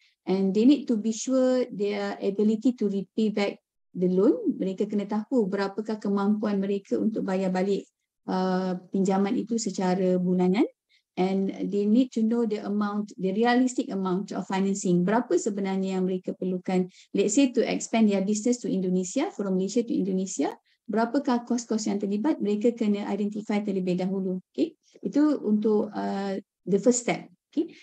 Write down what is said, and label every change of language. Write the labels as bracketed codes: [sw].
[en] And they need to be sure their ability to repay back the loan. [ms] Mereka kena tahu berapakah kemampuan mereka untuk bayar balik pinjaman itu secara bulanan. [en] And they need to know the amount, the realistic amount of financing. [ms] Berapa sebenarnya yang mereka perlukan. [en] Let's say to expand their business to Indonesia, from Malaysia to Indonesia. [ms] Berapakah kos-kos yang terlibat, mereka kena identify terlebih dahulu. Okay? Itu untuk [en] the first step. Okay?